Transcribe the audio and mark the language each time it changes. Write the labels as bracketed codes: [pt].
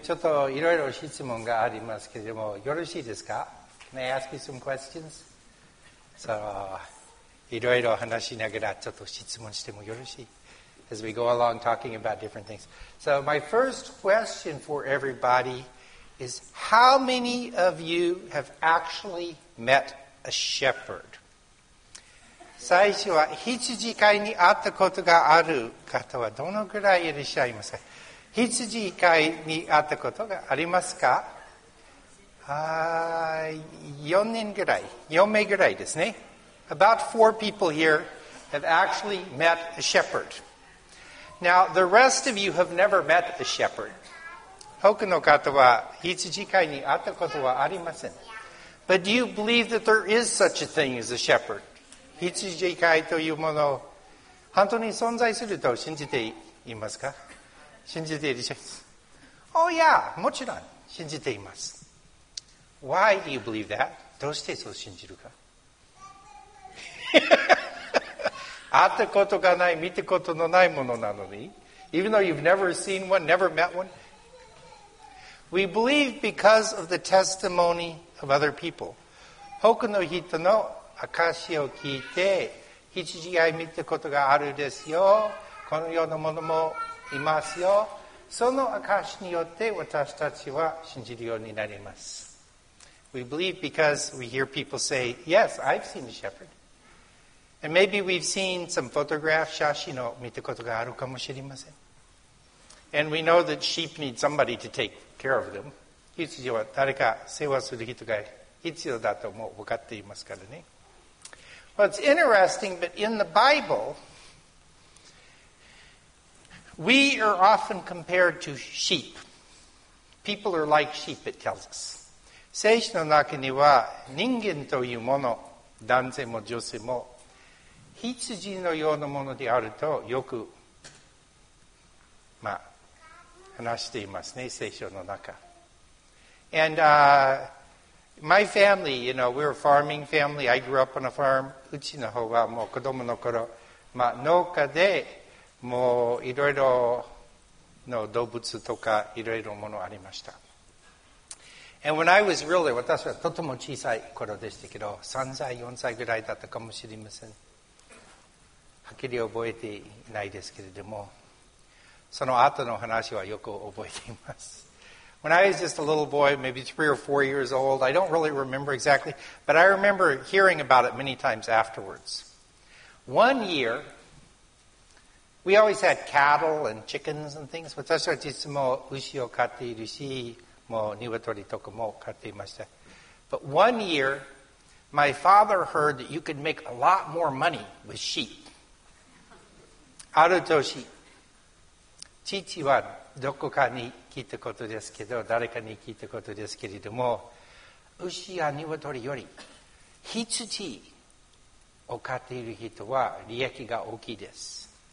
[ja] ちょっといろいろ質問がありますけれども、よろしいですか？ [en] Can I ask you some questions? [ja] So, いろいろ話しながらちょっと質問してもよろしい? [en] As we go along talking about different things. So, my first question for everybody is, how many of you have actually met a shepherd? [ja] 最初は羊飼いに会ったことがある方はどのぐらいいらっしゃいますか? 羊飼いに会ったことがありますか?4人ぐらい、4名ぐらいですね。 [en] About four people here have actually met a shepherd. Now, the rest of you have never met a shepherd. [ja] 他の方は羊飼いに会ったことはありません。 [en] But do you believe that there is such a thing as a shepherd? [ja] 羊飼いというもの、本当に存在すると信じていますか? 信じていらっしゃいます。 [en] Oh yeah, [ja] もちろん信じています。 [en] Why do you believe that? [ja] どうしてそう信じるか? 会ったことがない、見たことのないものなのに? [en] Even though you've never seen one, never met one? We believe because of the testimony of other people. [ja] 他の人の証を聞いて、羊飼い見たことがあるですよ。このようなものもいますよ。その証によって私たちは信じるようになります。 [en] We believe because we hear people say, yes, I've seen a shepherd. And maybe we've seen some photographs, [ja] 写真を見たことがあるかもしれません。 [en] And we know that sheep need somebody to take care of them. [ja] 羊は誰か世話する人が必要だとも分かっていますからね。 [en] Well, it's interesting, but in the Bible, we are often compared to sheep. People are like sheep, it tells us. [ja] 聖書の中には人間というもの、男性も女性も羊のようなものであるとよく、まあ、話していますね、聖書の中。 [en] And my family, you know, we're a farming family. I grew up on a farm. [ja] うちの方はもう子供の頃、まあ、農家でもういろいろの動物とかいろいろものありました。 [en] And when I was really, [ja] 私はとても小さい頃でしたけど、3歳、4歳ぐらいだったかもしれません。はっきり覚えていないですけれども、その後の話はよく覚えています。 [en] When I was just a little boy, maybe 3 or 4 years old, I don't really remember exactly, but I remember hearing about it many times afterwards. One year, we always had cattle and chickens and things. [ja] 私たちいつも牛を飼っているし、もう鶏とかも飼っていました。 [en] But one year, my father heard that you could make a lot more money with sheep. [ja] ある年、父はどこかに聞いたことですけど、誰かに聞いたことですけれども、牛や鶏より羊を飼っている人は利益が大きいです。